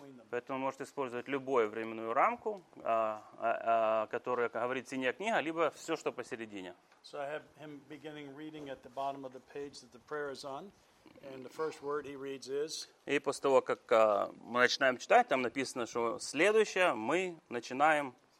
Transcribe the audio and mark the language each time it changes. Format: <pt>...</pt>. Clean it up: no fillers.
<ru>Поэтому он может использовать любую временную рамку, которая говорит синяя книга, либо все, что посередине.</ru> <en>So I have him beginning reading at the bottom of the page that the prayer is on, and the first word he reads is.</en> <ru>И после того, как мы начинаем читать, там написано, что следующее мы начинаем.</ru>